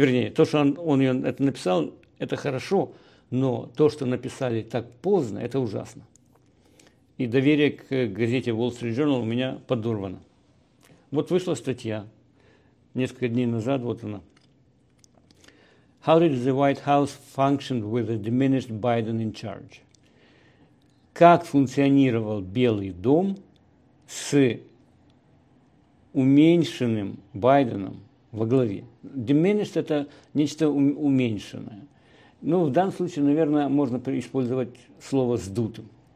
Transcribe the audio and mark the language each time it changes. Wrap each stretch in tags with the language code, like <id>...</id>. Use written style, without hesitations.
<ru>Вернее, то, что он это написал, это хорошо, но то, что написали так поздно, это ужасно. И доверие к газете Wall Street Journal у меня подорвано. Вот вышла статья несколько дней назад, вот она.</ru> <en>How did the White House function with a diminished Biden in charge?</en> <ru>Как функционировал Белый дом с уменьшенным Байденом во главе? Diminished – это нечто уменьшенное. Ну, в данном случае, наверное, можно использовать слово «сдутым».</ru>